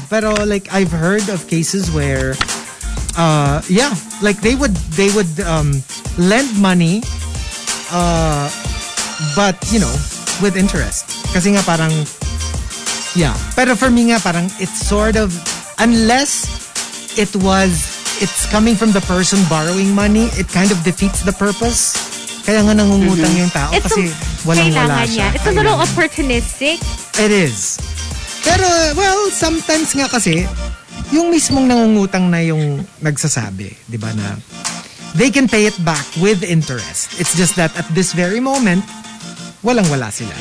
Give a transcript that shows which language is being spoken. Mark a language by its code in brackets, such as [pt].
[en] Pero like, I've heard of cases where, yeah, like they would lend money, but, you know, with interest. [tl] Kasi nga parang, [en] yeah. Pero for me [tl] nga parang, [en] it's sort of, unless it was, it's coming from the person borrowing money, it kind of defeats the purpose. [tl] Kaya nga nangungutang yung tao it's kasi walang-wala siya. [en] It's a little opportunistic. It is. [tl] Pero, [en] well, sometimes [tl] nga kasi, yung mismong nangungutang na yung nagsasabi, di ba na, [en] they can pay it back with interest. It's just that at this very moment, [tl] walang-wala sila.